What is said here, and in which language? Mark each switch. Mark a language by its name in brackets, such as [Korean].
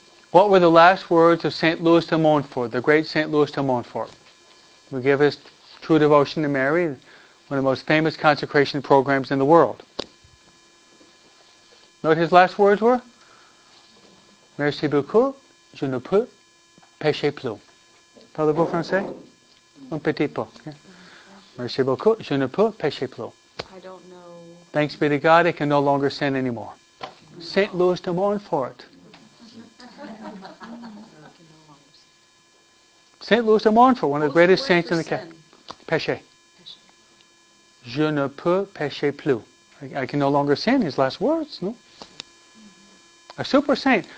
[English] What were the last words of St. Louis de Montfort, the great St. Louis de Montfort, who gave his true devotion to Mary, one of the most famous consecration programs in the world? You know what his last words were? [French] Merci beaucoup, je ne peux pécher plus. Parlez-vous français? Un petit peu. Merci beaucoup, je ne peux pécher plus. [English] I don't know. Thanks be to God, I can no longer sin anymore. St. Louis de Montfort. Saint Louis de Montfort, one of the greatest saints in the Catholic. Péché. [French] Je ne peux pécher plus. [English] I can no longer sin. His last words, no? A super saint.